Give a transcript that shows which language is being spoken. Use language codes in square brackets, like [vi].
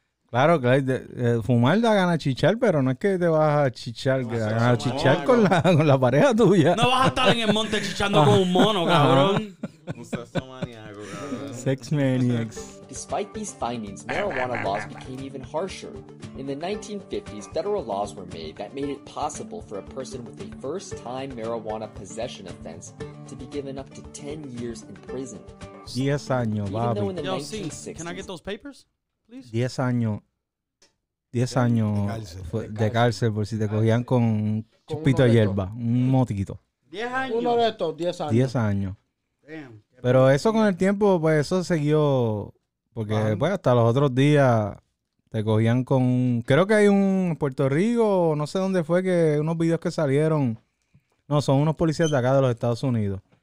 [es] Claro, fumar da ganas de chichar, pero no es que te vas a chichar, que da ganas de chichar con la pareja tuya. No vas a estar en el monte chichando con un mono, cabrón. [en] Sex maniacs. Despite these findings, marijuana laws became even harsher. In the 1950s, federal laws were made that made it possible for a person with a first-time marijuana possession offense to be given up to 10 years in prison. [es] 10 años, papi. [en] Yo, 1960s, can I get those papers? [es] 10 años de cárcel por si te cogían con un chupito de hierba, un motiquito. 10 años. Uno de estos, 10 años. 10 años. Pero eso con el tiempo, pues eso siguió, porque después hasta los otros días te cogían con, creo que hay un Puerto Rico, no sé dónde fue, que unos videos que salieron, no, son unos policías de acá de los Estados Unidos.